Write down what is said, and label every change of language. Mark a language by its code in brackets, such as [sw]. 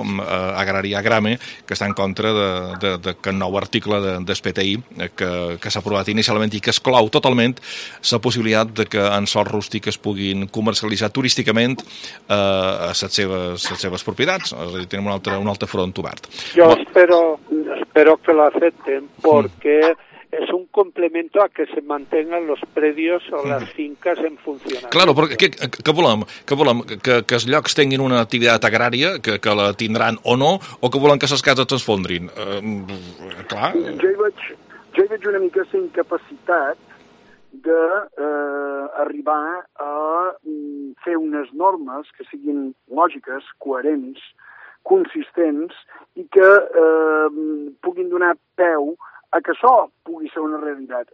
[ca] agrària Agrame, que està en contra de nou article d'SPTI que s'ha aprovat inicialment i que exclou totalment la possibilitat de que en sòl rústic es puguin comercialitzar turísticament les seves propietats. És a dir, tenim un altre front obert. Jo espero [es] que lo acepten, perquè es un complemento a que se mantengan los predios o las fincas en funcionamiento. [ca] Claro, però què volem? Que els llocs tinguin una activitat agrària, que la tindran o no, o que volen que les cases s'esfondrin? Clar. Jo hi veig una mica la incapacitat d'arribar a fer unes normes que siguin lògiques, coherents, consistents, i que puguin donar peu a que això pugui ser una realitat.